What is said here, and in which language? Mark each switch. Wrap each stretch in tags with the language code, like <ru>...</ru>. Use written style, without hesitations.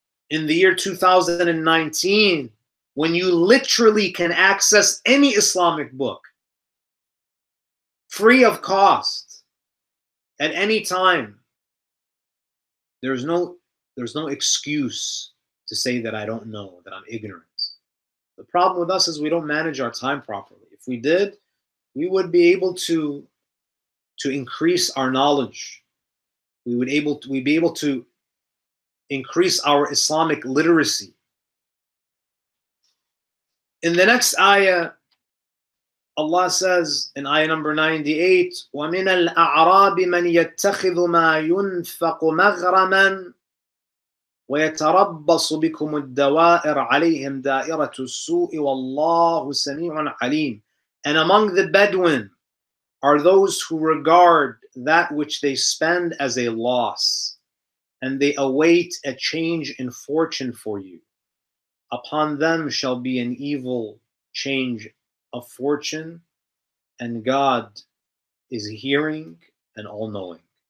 <en>In the year 2019, when you literally can access any Islamic book free of cost at any time, there's no excuse to say that I don't know, that I'm ignorant. The problem with us is we don't manage our time properly. If we did, we would be able to increase our knowledge. We'd be able to increase our Islamic literacy. In the next ayah, Allah says in ayah number 98,</en> <ar>وَمِنَ الْأَعْرَابِ مَنْ يَتَّخِذُ مَا يُنْفَقُ مَغْرَمًا وَيَتَرَبَّصُ بِكُمُ الدَّوَائِرَ عَلَيْهِمْ دَائِرَةُ السُّوءِ وَاللَّهُ سَمِيعٌ عَلِيمٌ.</ar> <en>And among the Bedouin are those who regard that which they spend as a loss, and they await a change in fortune for you. Upon them shall be an evil change of fortune, and God is hearing and all-knowing.</en>